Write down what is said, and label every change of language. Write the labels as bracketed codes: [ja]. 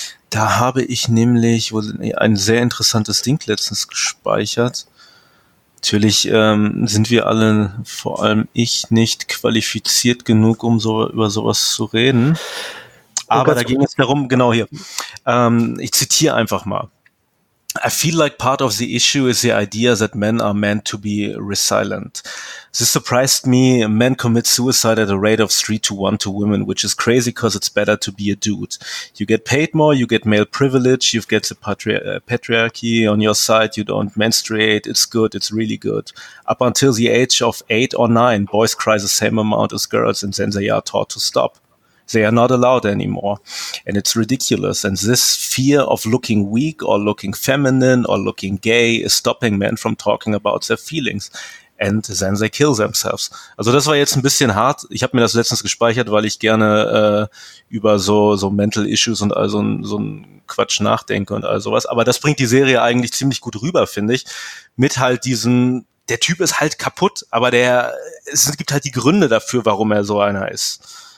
[de] Da habe ich nämlich ein sehr interessantes Ding letztens gespeichert. Natürlich sind wir alle, vor allem ich, nicht qualifiziert genug, um so über sowas zu reden. Aber da ging es darum, genau hier. Ich zitiere einfach mal. [en] I feel like part of the issue is the idea that men are meant to be resilient. This surprised me. Men commit suicide at a rate of 3-1 to women, which is crazy because it's better to be a dude. You get paid more, you get male privilege, you get the patriarchy on your side, you don't menstruate, it's good, it's really good. Up until the age of 8 or 9, boys cry the same amount as girls and then they are taught to stop. They are not allowed anymore, and it's ridiculous. And this fear of looking weak or looking feminine or looking gay is stopping men from talking about their feelings, and then they kill themselves. [de] Also das war jetzt ein bisschen hart. Ich habe mir das letztens gespeichert, weil ich gerne über so Mental Issues und also so ein Quatsch nachdenke und all sowas. Aber das bringt die Serie eigentlich ziemlich gut rüber, finde ich, mit halt diesen, der Typ ist halt kaputt, aber es gibt halt die Gründe dafür, warum er so einer ist.